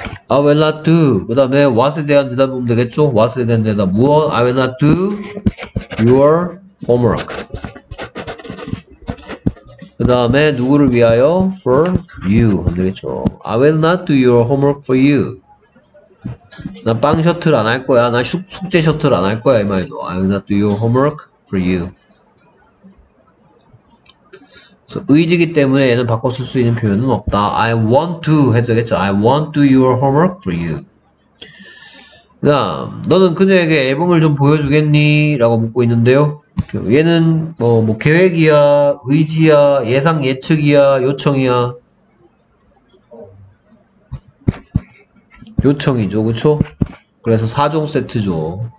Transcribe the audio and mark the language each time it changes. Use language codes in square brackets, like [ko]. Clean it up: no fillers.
[en] I will not do. [ko] 그 다음에 what에 대한 대답 보면 되겠죠? what에 대한 대답. 무엇? [en] I will not do your homework. [ko] 그 다음에 누구를 위하여? [en] for you [ko] 하면 되겠죠. [en] I will not do your homework for you. [ko] 나빵 셔틀 안할 거야. 나 숙제 셔틀 안할 거야. 이 말도 [en] I will not do your homework for you. [ko] 그래서 의지기 때문에 얘는 바꿔 쓸수 있는 표현은 없다. [en] I want to [ko] 해도 되겠죠. [en] I want to do your homework for you. [ko] 그다음 너는 그녀에게 앨범을 좀 보여주겠니?라고 묻고 있는데요. 얘는 뭐 계획이야, 의지야, 예상 예측이야, 요청이야. 요청이죠, 그쵸? 그래서 4종 세트죠.